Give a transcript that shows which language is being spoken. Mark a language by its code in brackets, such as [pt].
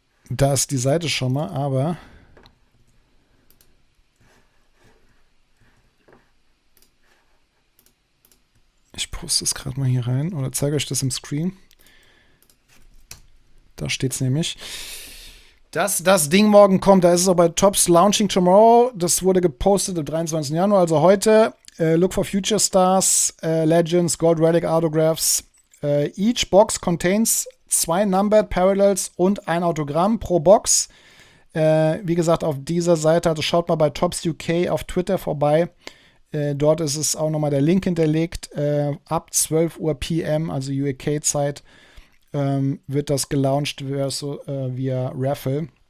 [de] Da ist die Seite schon mal, aber ich poste es gerade mal hier rein oder zeige euch das im Screen. Da steht es nämlich. Dass das Ding morgen kommt, da ist es auch bei Tops [en] Launching Tomorrow. [de] Das wurde gepostet am 23. Januar, also heute. [en] Look for Future Stars, Legends, Gold Relic Autographs. Each box contains [de] 2 Numbered Parallels und 1 Autogramm pro Box. Wie gesagt, auf dieser Seite, also schaut mal bei Topps UK auf Twitter vorbei. Dort ist es auch nochmal der Link hinterlegt. Ab 12 Uhr PM, also UK-Zeit, wird das gelauncht via Raffle.